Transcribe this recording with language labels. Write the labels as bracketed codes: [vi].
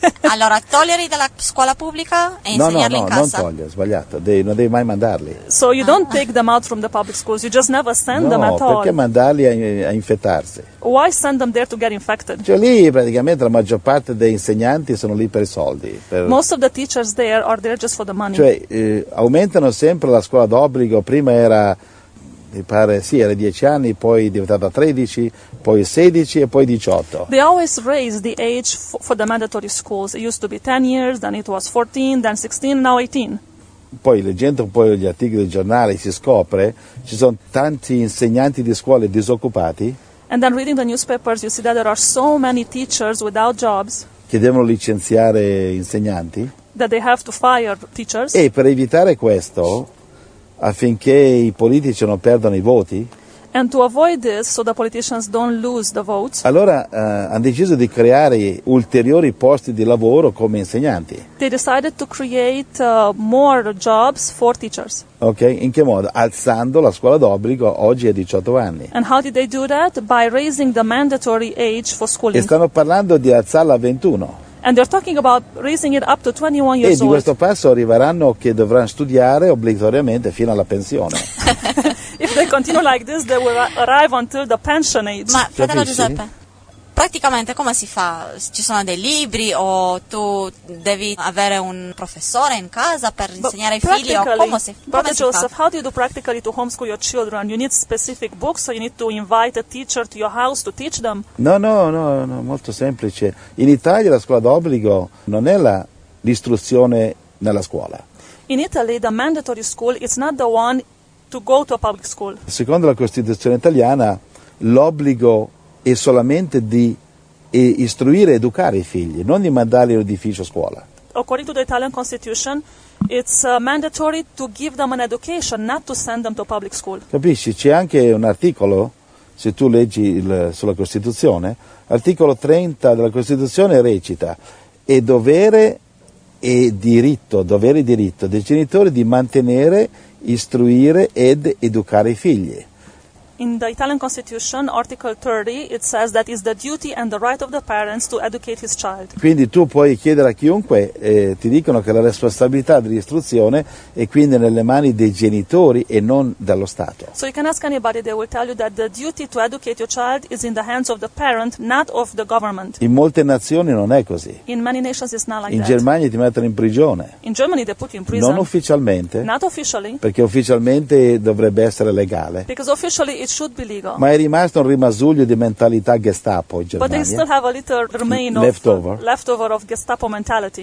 [it] Allora, toglierli dalla scuola pubblica e insegnarli in casa? No, non toglierli, sbagliato. Non devi mai mandarli. [en] So you don't take them out from the public schools, you just never send them at all. [it] No, perché mandarli a infettarsi? [en] Why send them there to get infected? [it] Cioè lì praticamente la maggior parte dei insegnanti sono lì per i soldi. [en] Most of the teachers there are there just for the money. [it] Cioè aumentano sempre la scuola d'obbligo, prima era... mi pare, sì, era 10 anni, poi è diventata 13, poi 16 e poi 18. [en] They always raise the age for the mandatory schools. It used to be 10 years, then it was 14, then 16, now 18. [it] Poi leggendo poi gli articoli del giornale si scopre ci sono tanti insegnanti di scuole disoccupati. [en] And then reading the newspapers you see that there are so many teachers without jobs. [it] che devono licenziare insegnanti, [en] that they have to fire teachers. [it] E per evitare questo, affinché i politici non perdano i voti, [en] and to avoid this, so the politicians don't lose the votes, [it] allora hanno deciso di creare ulteriori posti di lavoro come insegnanti. [en] They decided to create more jobs for teachers. [it] Okay, in che modo? Alzando la scuola d'obbligo oggi a 18 anni. [en] And how did they do that? By raising the mandatory age for schooling. [it] E stanno parlando di alzarla a 21. [en] And they're talking about raising it up to 21 years old. [it] E di questo passo arriveranno che dovranno studiare obbligatoriamente fino alla pensione. [en] If they continue like this, they will arrive until the pension age. [it] Ma, fratello Giuseppe, praticamente come si fa? Ci sono dei libri o tu devi avere un professore in casa per insegnare ai figli? O come si Joseph, fa? [en] How do you do practically to homeschool your children? You need specific books or you need to invite a teacher to your house to teach them? [it] No, molto semplice. In Italia la scuola d'obbligo non è l'istruzione nella scuola. [en] In Italy the mandatory school is not the one to go to a public school. [it] Secondo la Costituzione italiana, l'obbligo è solamente di istruire, educare i figli, non di mandarli in un edificio a scuola. [en] According to the Italian Constitution, it's mandatory to give them an education, not to send them to a public school. [it] Capisci? C'è anche un articolo, se tu leggi sulla Costituzione, articolo 30 della Costituzione recita: è dovere e diritto, dovere e diritto dei genitori di mantenere, istruire ed educare i figli. [en] In the Italian Constitution, Article 30, it says that it's the duty and the right of the parents to educate his child. [it] Quindi tu puoi chiedere a chiunque, ti dicono che la responsabilità dell'istruzione è quindi nelle mani dei genitori e non dello Stato. [en] So you can ask anybody, they will tell you that the duty to educate your child is in the hands of the parent, not of the government. [it] In molte nazioni non è così. [en] In many nations it's not like that. [it] In Germania ti mettono in prigione. [en] In Germany they put you in prison. [it] Non ufficialmente. [en] Not officially. [it] Perché ufficialmente dovrebbe essere legale. [en] Because officially it should be legal. [it] Ma è rimasto un rimasuglio di mentalità Gestapo in Germania. [en] But they still have a little remain of leftover of Gestapo mentality.